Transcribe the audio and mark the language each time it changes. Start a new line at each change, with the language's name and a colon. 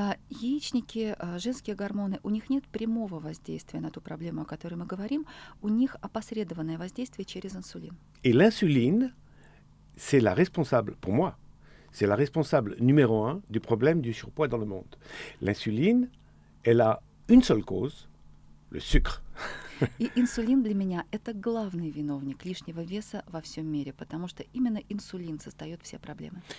Russian: Яичники, женские гормоны, у них нет прямого воздействия на ту проблему, о которой мы говорим. У них опосредованное воздействие через инсулин.
French: Et l'insuline, c'est la responsable, pour moi, c'est la responsable numéro un du problème du surpoids dans le monde. L'insuline, elle a une seule cause. Le sucre.
Russian: И инсулин для меня — это главный виновник лишнего веса во всем мире, потому что именно инсулин создает все проблемы.